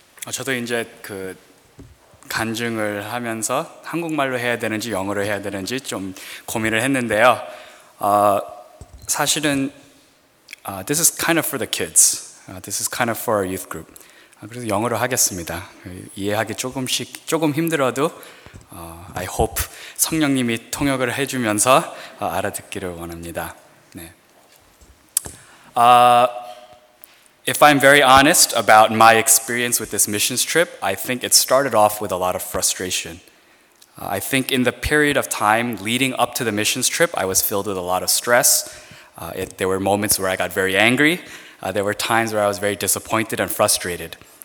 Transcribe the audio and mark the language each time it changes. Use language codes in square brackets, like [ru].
[ko] 저도 이제 그 간증을 하면서 한국말로 해야 되는지 영어로 해야 되는지 좀 고민을 했는데요. 사실은 [en] this is kind of for the kids. This is kind of for our youth group. [ko] 그래서 영어로 하겠습니다. 이해하기 조금 힘들어도 [en] I hope [ko] 성령님이 통역을 해주면서 알아듣기를 원합니다. 네. [en] If I'm very honest about my experience with this missions trip, I think it started off with a lot of frustration. I think in the period of time leading up to the missions trip, I was filled with a lot of stress. There were moments where I got very angry. There were times where I was very disappointed and frustrated.